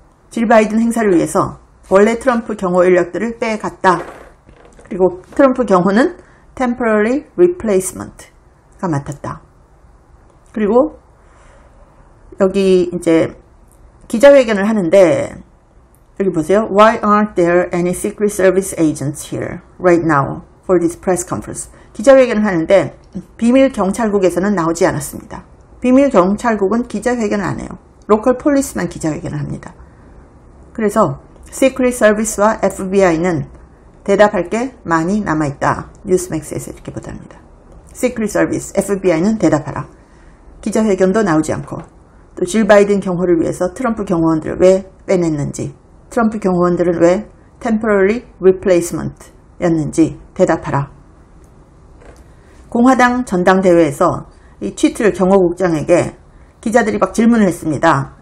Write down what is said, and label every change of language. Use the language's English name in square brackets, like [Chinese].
[Korean] 질 바이든 행사를 위해서 원래 트럼프 경호 인력들을 빼갔다. 그리고 트럼프 경호는 temporary replacement가 맡았다. 그리고 여기 이제 기자회견을 하는데, 여기 보세요. [English] Why aren't there any secret service agents here right now for this press conference? [Korean] 기자회견을 하는데, 비밀 경찰국에서는 나오지 않았습니다. 비밀 경찰국은 기자회견을 안 해요. 로컬 폴리스만 기자회견을 합니다. 그래서, Secret Service와 FBI는 대답할 게 많이 남아있다. 뉴스맥스에서 이렇게 보도합니다. Secret Service, FBI는 대답하라. 기자회견도 나오지 않고, 또질 바이든 경호를 위해서 트럼프 경호원들을 왜 빼냈는지, 트럼프 경호원들은 왜 Temporary Replacement였는지 대답하라. 공화당 전당대회에서 이 치틀 경호국장에게 기자들이 막 질문을 했습니다.